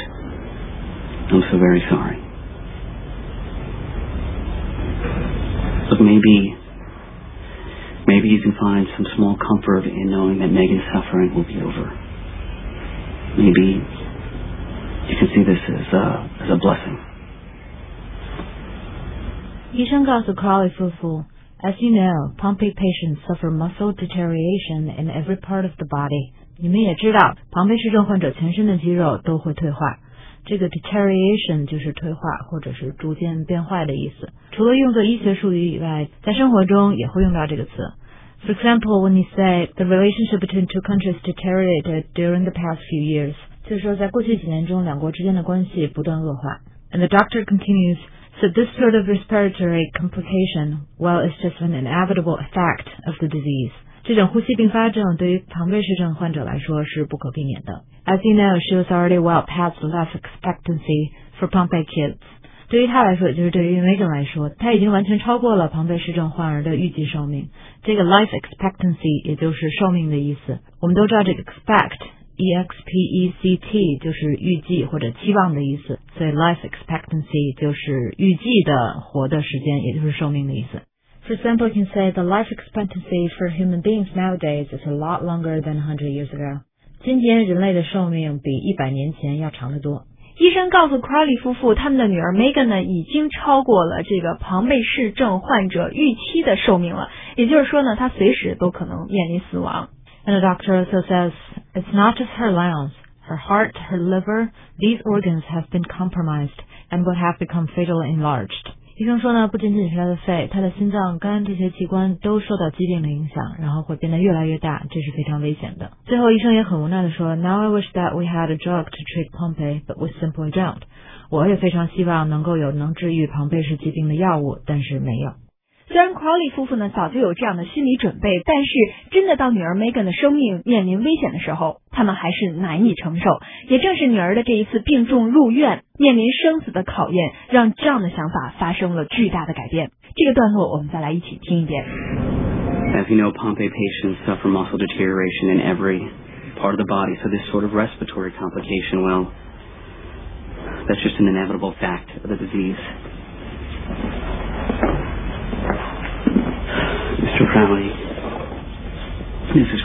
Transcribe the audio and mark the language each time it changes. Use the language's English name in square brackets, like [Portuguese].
[English] I'm so very sorry. Look, maybe you can find some small comfort in knowing that Megan's suffering will be over. Maybe you can see this as a blessing. [Chinese] 医生告诉 Crowley 夫妇 [English] As you know, Pompe patients suffer muscle deterioration in every part of the body. [Chinese] 你们也知道庞贝氏症患者全身的肌肉都会退化。这个 deterioration 就是退化或者是逐渐变坏的意思。除了用作医学术语以外，在生活中也会用到这个词。 [English] For example, when you say the relationship between two countries deteriorated during the past few years, [Chinese] 就是说在过去几年中两国之间的关系不断恶化。 [English] And the doctor continues, so this sort of respiratory complication, well, it's just an inevitable effect of the disease. [Chinese] 这种呼吸并发症对于庞贝氏症患者来说是不可避免的。 [English] As you know, she was already well past life expectancy for Pompe kids. [Chinese] 对于她来说，就是对于 Megan 来说，她已经完全超过了庞贝氏症患儿的预计寿命。这个 life expectancy 也就是寿命的意思。我们都知道这个 expect, E-X-P-E-C-T 就是预计或者期望的意思。所以 life expectancy 就是预计的活的时间，也就是寿命的意思。 [English] For example, you can say the life expectancy for human beings nowadays is a lot longer than 100 years ago. [Chinese] 今天人类的寿命比100年前要长得多。医生告诉 Crowley 夫妇，他们的女儿 Megan 呢，已经超过了这个庞贝氏症患者预期的寿命了。也就是说呢，她随时都可能面临死亡。 [English] And the doctor also says, it's not just her lungs, her heart, her liver, these organs have been compromised and would have become fatally enlarged. [Chinese] 医生说呢，不仅仅是他的肺，他的心脏、肝这些器官都受到疾病的影响，然后会变得越来越大，这是非常危险的。最后医生也很无奈地说， [English] Now I wish that we had a drug to treat Pompe, but we simply don't. [Chinese] 我也非常希望能够有能治愈庞贝氏疾病的药物，但是没有。虽然 Crowley 夫妇呢早就有这样的心理准备，但是真的到女儿 Megan 的生命面临危险的时候，他们还是难以承受。也正是女儿的这一次病重入院，面临生死的考验，让 John 的想法发生了巨大的改变。这个段落我们再来一起听一遍。 [English] As you know, Pompe patients suffer muscle deterioration in every part of the body, so this sort of respiratory complication, well, that's just an inevitable fact of the disease. Mr. Crowley, Mrs.